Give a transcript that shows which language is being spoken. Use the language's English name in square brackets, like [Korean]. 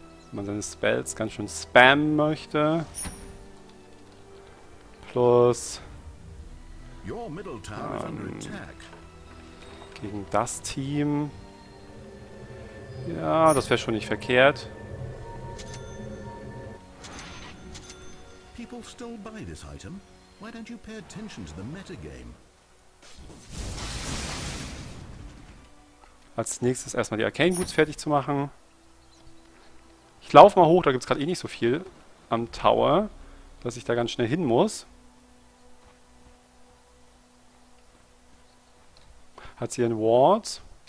[German] Wenn man seine Spells ganz schön spammen möchte. Plus... gegen das Team. Ja, das wäre schon nicht verkehrt. [English] People still buy this item. Why don't you pay attention to the metagame? [German] Als nächstes erstmal die Arcane Boots fertig zu machen. Ich laufe mal hoch, da gibt es gerade eh nicht so viel am Tower, dass ich da ganz schnell hin muss. Hat sie einen Ward?